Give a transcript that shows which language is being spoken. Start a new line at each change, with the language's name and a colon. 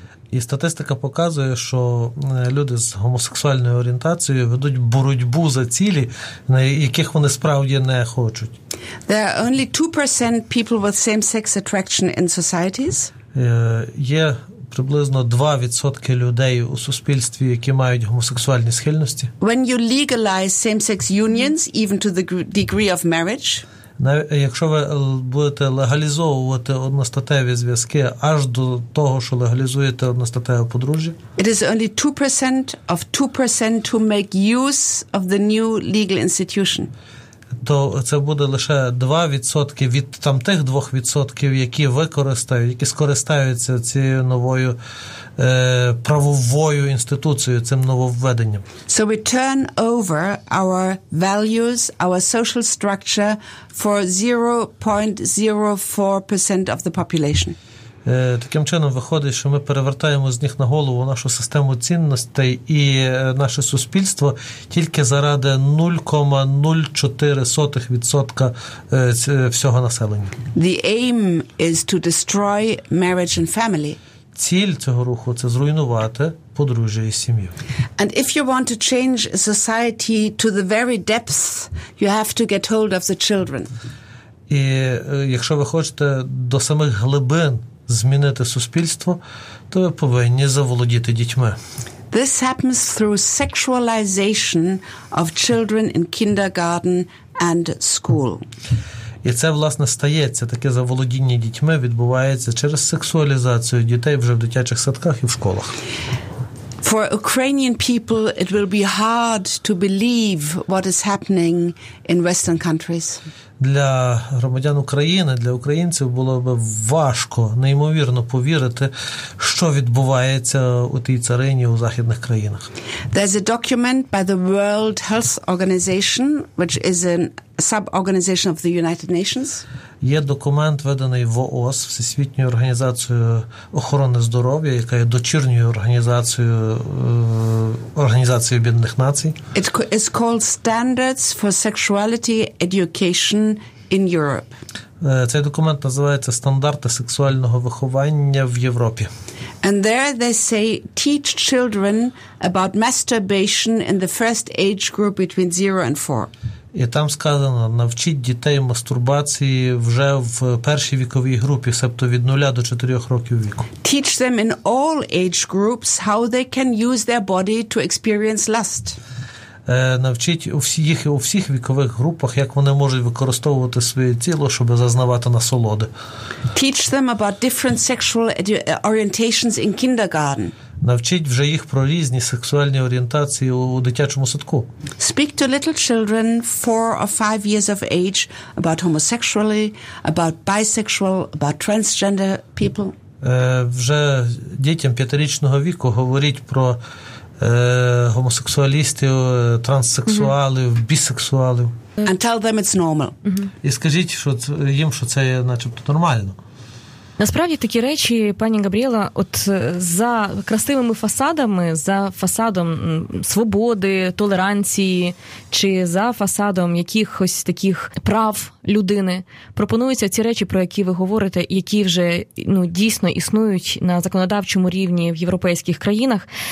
Ukrainian: І статистика показує, що люди з гомосексуальною орієнтацією ведуть боротьбу за цілі, на яких вони справді не хочуть.
English: There are only 2% people with same-sex attraction in societies.
Ukrainian: Є приблизно 2% людей у суспільстві, які мають гомосексуальні схильності.
English: When you legalize same-sex unions, even to the degree of marriage,
Ukrainian: якщо ви будете легалізовувати одностатеві зв'язки аж до того, що легалізуєте одностатеве подружжя,
English: it is only 2% of 2% who make use of the new legal institution.
Ukrainian: То це буде лише 2% від там тих 2%, які використають, які скористаються цією новою правовою інституцією, цим нововведенням.
English: So we turn over our values, our social structure for 0.04% of the population.
Ukrainian: Таким чином виходить, що ми перевертаємо з них на голову нашу систему цінностей і наше суспільство тільки заради 0.04% всього населення.
English: The aim is to destroy marriage and family.
Ukrainian: Ціль цього руху – це зруйнувати подружжя і сім'ю.
English: And if you want to change society to the very depths, you have to get hold of the children.
Ukrainian: І якщо ви хочете до самих глибин змінити суспільство, то ви повинні заволодіти дітьми.
English: This happens through sexualization of children in kindergarten and school.
Ukrainian: І це, власне, стається, таке заволодіння дітьми відбувається через сексуалізацію дітей вже в дитячих садках і в школах.
English: For Ukrainian people it will be hard to believe what is happening in Western countries.
Ukrainian: Для громадян України, для українців було б важко, неймовірно повірити, що відбувається у тій царині у західних країнах.
English: There's a document by the World Health Organization, which is a sub-organization of the United Nations.
Ukrainian: Є документ, виданий в ООС, Всесвітньою організацією охорони здоров'я, яка є дочірньою організацією Організації Об'єднаних Націй.
English: It is called Standards for Sexuality Education in Europe.
Ukrainian: Цей документ називається «Стандарти сексуального виховання в Європі».
English: And there they say teach children about masturbation in the first age group between 0 and 4.
Ukrainian: І там сказано, навчіть дітей мастурбації вже в першій віковій групі, тобто від 0 до 4 років віку.
English: Teach them in all age groups how they can use their body to experience lust.
Ukrainian: Навчіть у всіх вікових групах, як вони можуть використовувати своє тіло, щоб зазнавати насолоди.
English: Teach them about different sexual orientations in kindergarten.
Ukrainian: Навчіть вже їх про різні сексуальні орієнтації у дитячому садку.
English: Speak to little children 4 or 5 years of age about homosexuality, about bisexual, about transgender people.
Ukrainian: Вже дітям 5-річного віку говоріть про гомосексуалістів, транссексуалів, бісексуалів.
English: And tell them it's normal.
Ukrainian: І скажіть, що їм, що це начебто нормально. Насправді такі речі, пані Габріела, от за красивими фасадами, за фасадом свободи, толеранції, чи за фасадом якихось таких прав людини, пропонуються ці речі, про які ви говорите, які вже ну дійсно існують на законодавчому рівні в європейських країнах.